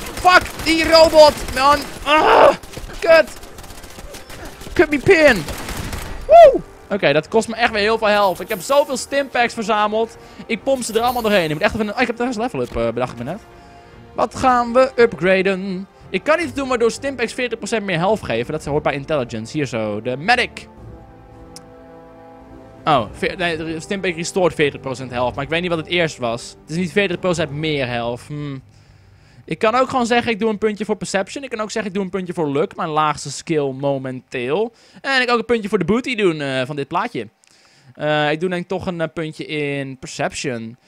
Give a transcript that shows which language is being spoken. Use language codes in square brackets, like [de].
[nl] Fuck die robot, man. Ah, kut. Cut me pin. Woe. Oké, dat kost me echt weer heel veel health. Ik heb zoveel stimpacks verzameld. Ik pomp ze er allemaal doorheen. Ik moet echt even... ik heb thuis level up bedacht ik me net. Wat gaan we upgraden? Ik kan niet doen maar door stimpacks 40% meer health geven. Dat hoort bij intelligence. Hier zo, de medic. [en] Oh, stimpack restored 40% health. [nl] Maar ik weet niet wat het eerst was. Het is niet 40% meer health. Ik kan ook gewoon zeggen, ik doe een puntje voor perception. Ik kan ook zeggen, ik doe een puntje voor luck. Mijn laagste skill momenteel. En ik kan ook een puntje voor de booty doen van dit plaatje. Ik doe denk ik toch een puntje in perception.